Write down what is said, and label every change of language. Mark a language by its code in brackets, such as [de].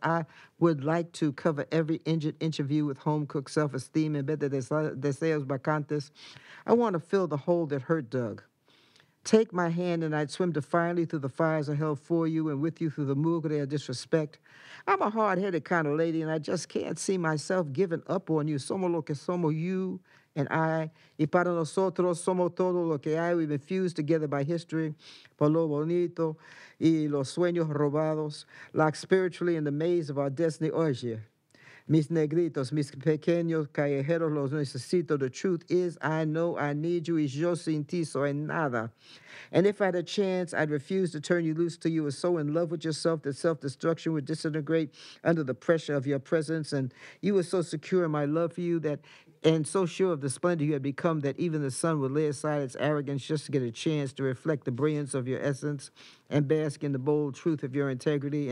[en] I would like to cover every inch of you with home-cooked self-esteem and bed [es] de deseos bacantes. [en] I want to fill the hole that hurt dug. Take my hand and I'd swim defiantly through the fires of hell for you and with you through the mugre of disrespect. I'm a hard-headed kind of lady and I just can't see myself giving up on you. [es] Somos lo que somos, [en] you and I. [es] Y para nosotros somos todo lo que hay. [en] We've been fused together by history, [es] por lo bonito y los sueños robados, [en] locked spiritually in the maze of our destiny. [es] Oye, mis negritos, mis pequeños callejeros, los necesito. [en] The truth is, I know I need you. [es] Y yo sin ti soy nada. [en] And if I had a chance, I'd refuse to turn you loose till you were so in love with yourself that self-destruction would disintegrate under the pressure of your presence. And you were so secure in my love for you that, and so sure of the splendor you had become that even the sun would lay aside its arrogance just to get a chance to reflect the brilliance of your essence and bask in the bold truth of your integrity.